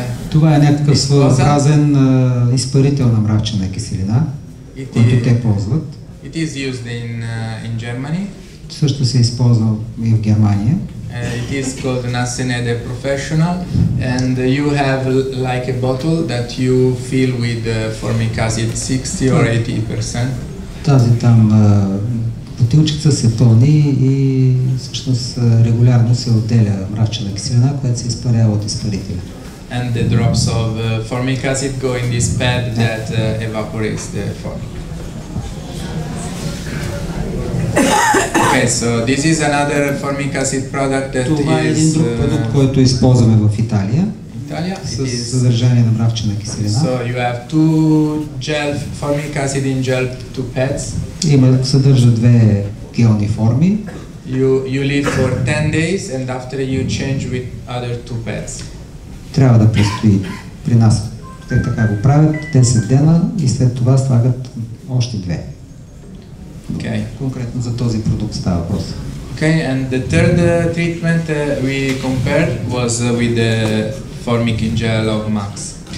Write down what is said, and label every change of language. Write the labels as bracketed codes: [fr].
[bg] Това е някакъв своеобразен изпарител на мравчена киселина, който те ползват. [en] It is used in Germany. [bg] Също се използва и в Германия. [en] It is called Nasenede Professional and you have like a bottle that you fill with formic acid 60 or 80%. [bg] Тази там бутилчица се пълни и всъщност регулярно се отделя мравчена киселина, която се изпарява от изпарителя. [en] And the drops of formic acid go in this pad that evaporates the formic. Okay, so this is another formic acid product that [bg] Това е един друг продукт, който използваме в Италия с съдържание на мравчена киселина. [en] So you have two gel formic acid in gel two pads. [bg] Има съдържа две гелни форми. [en] You leave for 10 days and after you change with other two pads. [bg] Трябва да престои при нас. Те така го правят 10 дена и след това слагат още две. [en] Okay. [bg] Конкретно за този продукт става въпрос. [en] Okay, and the third treatment we compared was with the formic in gel of Max.